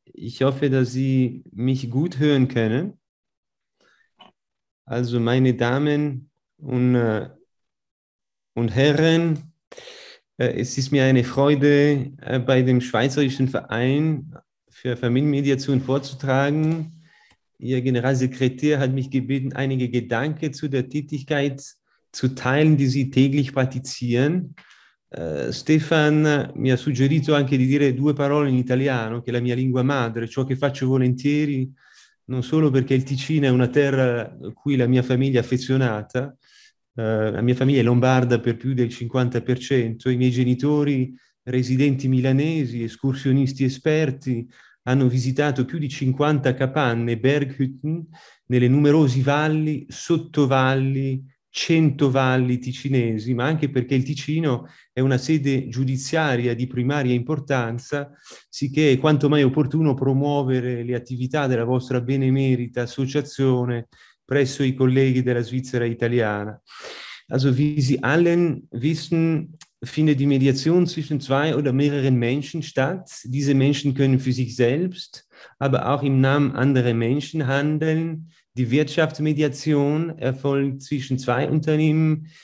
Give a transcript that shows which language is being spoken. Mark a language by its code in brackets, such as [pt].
[de] Ich hoffe, dass Sie mich gut hören können. Also meine Damen und Herren, es ist mir eine Freude, bei dem Schweizerischen Verein für Familienmediation vorzutragen. Ihr Generalsekretär hat mich gebeten, einige Gedanken zu der Tätigkeit zu teilen, die Sie täglich praktizieren. [it] Stefan mi ha suggerito anche di dire due parole in italiano, che è la mia lingua madre, ciò che faccio volentieri, non solo perché il Ticino è una terra a cui la mia famiglia è affezionata, la mia famiglia è lombarda per più del 50%, i miei genitori, residenti milanesi, escursionisti esperti, hanno visitato più di 50 capanne, berghütten, nelle numerose valli, sottovalli, 100 valli ticinesi, ma anche perché il Ticino è una sede giudiziaria di primaria importanza, sicché è quanto mai opportuno promuovere le attività della vostra benemerita associazione presso i colleghi della Svizzera italiana. [de] Also, wie Sie allen wissen, findet die Mediation zwischen zwei oder mehreren Menschen statt. Diese Menschen können für sich selbst, aber auch im Namen anderer Menschen handeln. Die Wirtschaftsmediation erfolgt zwischen zwei Unternehmen.